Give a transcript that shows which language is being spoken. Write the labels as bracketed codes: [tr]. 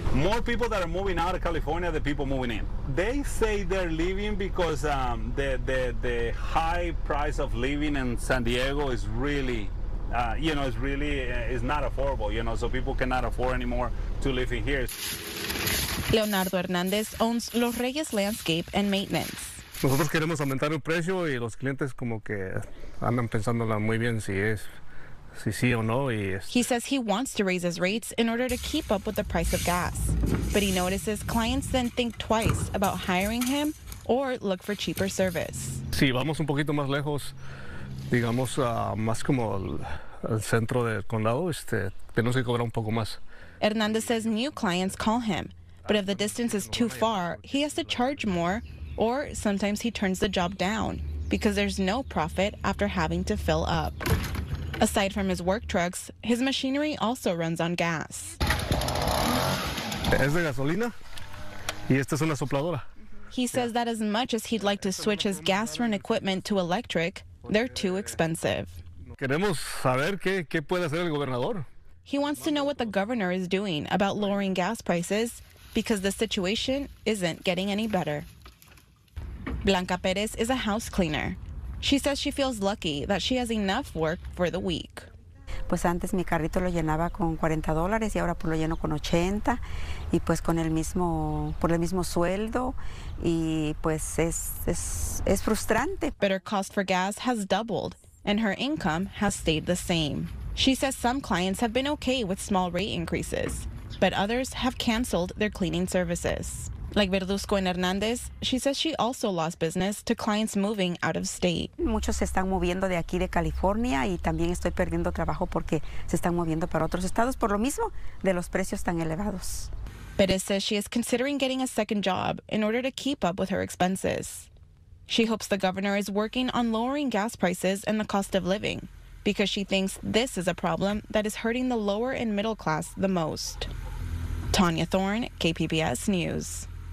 [en] More people that are moving out of California than people moving in. They say they're leaving because the high price of living in San Diego is really, it's not affordable, you know, so people cannot afford anymore to live in here. Leonardo Hernandez owns Los Reyes Landscape and Maintenance. [es] Nosotros queremos aumentar el precio y los clientes como que andan pensándola muy bien si es. [en] He says he wants to raise his rates in order to keep up with the price of gas. But he notices clients then think twice about hiring him or look for cheaper service. [es] Si vamos un poquito más lejos, digamos, más como el centro del condado, tenemos que cobrar un poco más. [en] Hernandez says new clients call him, but if the distance is too far, he has to charge more, or sometimes he turns the job down because there's no profit after having to fill up. Aside from his work trucks, his machinery also runs on gas. [es] Es de gasolina, y esta es una sopladora. [en] He says that as much as he'd like to switch his gas-run equipment to electric, they're too expensive. [es] Queremos saber qué puede hacer el gobernador. [en] He wants to know what the governor is doing about lowering gas prices because the situation isn't getting any better. Blanca Perez is a house cleaner. She says she feels lucky that she has enough work for the week. [es] Pues antes mi carrito lo llenaba con $40 y ahora pues lo lleno con 80 y pues con el mismo por el mismo sueldo y pues es frustrante. [en] But her cost for gas has doubled and her income has stayed the same. She says some clients have been okay with small rate increases, but others have canceled their cleaning services. Like Verduzco and Hernandez, she says she also lost business to clients moving out of state. [es] Muchos se están moviendo de aquí de California y también estoy perdiendo trabajo porque se están moviendo para otros estados por lo mismo de los precios tan elevados. [en] Perez says she is considering getting a second job in order to keep up with her expenses. She hopes the governor is working on lowering gas prices and the cost of living because she thinks this is a problem that is hurting the lower and middle class the most. Tanya Thorne, KPBS News.